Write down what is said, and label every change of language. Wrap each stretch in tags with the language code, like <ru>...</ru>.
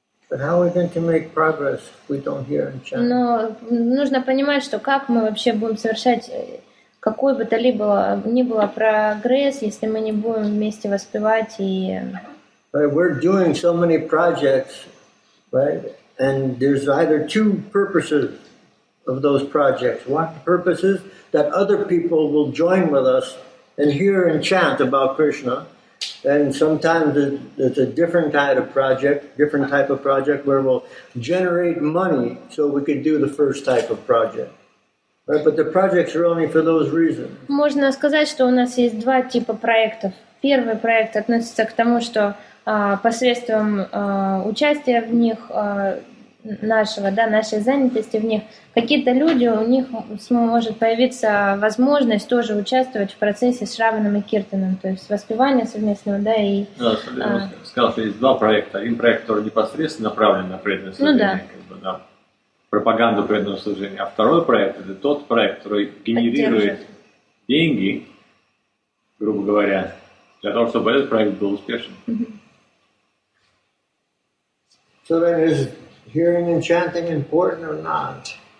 <ru>Но нужно понимать, что как мы вообще будем совершать какой бы то ни было прогресс, если мы не будем вместе воспевать и...</ru> <en>We're doing so many projects, right? And there's either two purposes of those projects. One purpose is that other people will join with us and hear and chant about Krishna. And sometimes it's a different type of project, where we'll generate money so we can do the first type of project. Right? But the projects are only for those reasons.</en> <ru>Можно сказать, что у нас есть два типа проектов. Первый проект относится к тому, что посредством участия в них, нашего, да, нашей занятости в них, какие-то люди, у них может появиться возможность тоже участвовать в процессе с Шравином и Киртаном, то есть воспевание совместного, да, и... Сказал, что есть два проекта. Один проект, который непосредственно направлен на преданное служение, пропаганду преданного служения. А второй проект — это тот проект, который генерирует деньги, грубо говоря, для того, чтобы этот проект был успешен.</ru> <en>So then, is hearing and chanting important or not?</en>